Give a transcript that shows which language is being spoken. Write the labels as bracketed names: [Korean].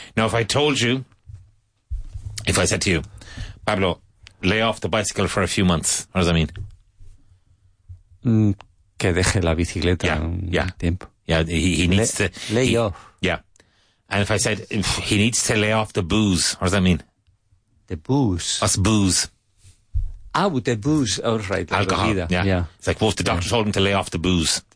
[English] Now, if I told you, if I said to you, Pablo, lay off the bicycle for a few months, what does that mean? [Spanish] Que deje la bicicleta tiempo. [English] Yeah, he needs to... Lay off. Yeah. And if I said, if he needs to lay off the booze, what does that mean? The booze? Us booze. Ah, with the booze, all right. Alcohol, yeah. It's like, well, the doctor told him to lay off the booze.